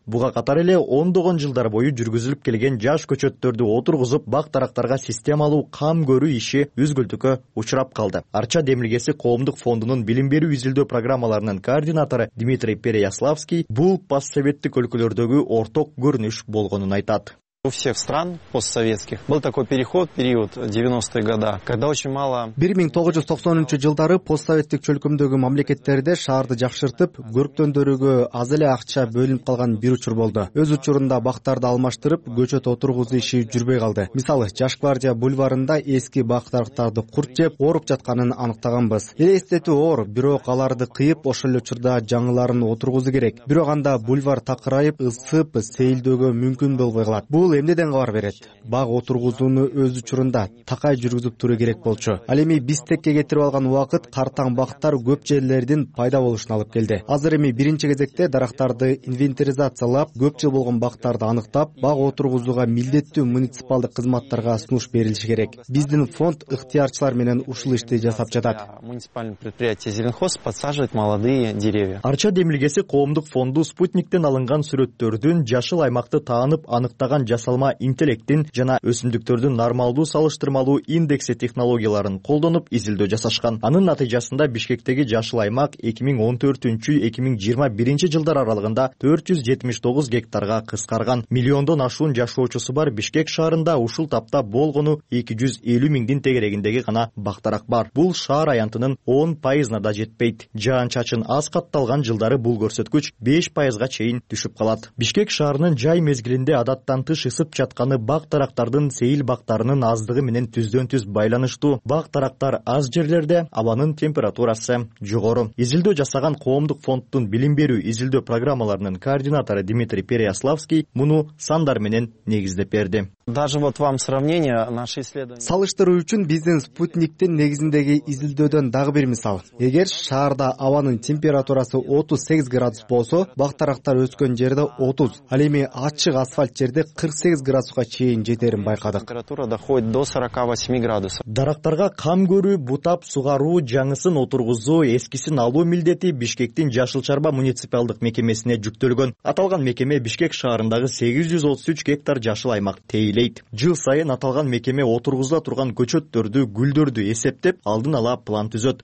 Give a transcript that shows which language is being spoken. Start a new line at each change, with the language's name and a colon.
Kyrgyz: Буга катар эле ондогон жылдар бою жүргүзүлүп келген жаш көчөттөрдү отургузуп, бак дарактарга системалуу кам көрүү иши үзгүлтүккө учурап калды. Арча демилгеси коомдук фондунун билим берүү изилдөө программаларынын координатору Дмитрий Переяславский бул постсоветтик өлкөлөрдөгү орток көрүнүш болгонун айтат.
Russian: У всех стран постсоветских был такой переход, период 90-х годов, когда очень мало...
Kyrgyz: 1990-чы жылдары постсоветтик чөлкөмдөгү мамлекеттерде шаарды жакшыртып, көрктөндөрүүгө аз эле акча бөлүнүп калган бир учур болду. Өз учурунда бактарды алмаштырып, көчөт отургузуу иши жүрбөй калды. Мисалы, Жаш гвардия бульварында эски бак дарактарды курт жеп, ооруп жатканын аныктаганбыз. Элестетүү оор, бирок аларды кыйып, ошол эле учурда жаңыларын отургузуу керек. Бирок анда бульвар такырайып, ысып, сейилдөөгө мүмкүн болбой калат. Бул эмнеден кабар берет? Бак отургузууну өз учурунда такай жүргүзүп туруу керек болчу. Ал эми Бишкекке кетирип алган убакыт картаң бактар көп жерлердин пайда болушуна алып келди. Азыр эми биринчи кезекте дарактарды инвентаризациялап, көп жыл болгон бактарды аныктап, бак отургузууга милдеттүү муниципалдык кызматтарга сунуш берилиши керек. Биздин фонд ыктыярчылар менен ушул ишти жасап жатат.
Russian: Муниципальное предприятие Зеленхоз подсаживает молодые деревья.
Kyrgyz: Арча демилгеси коомдук фонду спутниктен алынган сүрөттөрдүн жашыл аймакты таанып аныктаган жасалма интеллекттин жана өсүмдүктөрдүн нормалдуу салыштырмалуу индекси технологияларын колдонуп изилдөө жасашкан. Анын натыйжасында Бишкектеги жашыл аймак 2014-2021 жылдар аралыгында 479 гектарга кыскарган. Миллиондон ашуун жашоочусу бар Бишкек шаарында ушул тапта болгону 250 миңдин тегерегиндеги гана бак дарак бар. Бул шаар аянтынын 10% да жетпейт. Жаан чачын аз катталган жылдары бул көрсөткүч 5% чейин түшүп калат. Бишкек шаарынын жай мезгилинде адатта тыш ысып жатканы бак дарактардын сейил бактарынын аздыгы менен түздөн-түз байланыштуу. Бак дарактар аз жерлерде абанын температурасы жогору. Изилдөө жасаган коомдук фонддун билим берүү изилдөө программаларынын координатору Дмитрий Переяславский муну сандар менен негиздеп берди.
Russian: Даже вот вам сравнение наши исследования.
Kyrgyz: Салыштыруу үчүн биздин спутниктин негизиндеги изилдөөдөн дагы бир мисал. Эгер шаарда абанын температурасы 38 градус болсо, бак дарактар өскөн жерде 30, ал эми ачык асфальт жерде 48 градуска чейин жетерин байкадык.
Russian: Температура доходит до 48 градусов.
Kyrgyz: Дарактарга кам көрүү, бутап сугаруу, жаңысын отургузуу, эскисин алуу милдети Бишкектин жашыл чарба муниципалдык мекемесине жүктөлгөн. Аталган мекеме Бишкек шаарындагы 833 гектар жашыл аймак тейлейт. Жыл сайын аталган мекеме отургузула турган көчөттөрдү, гүлдөрдү эсептеп, алдын ала план түзөт.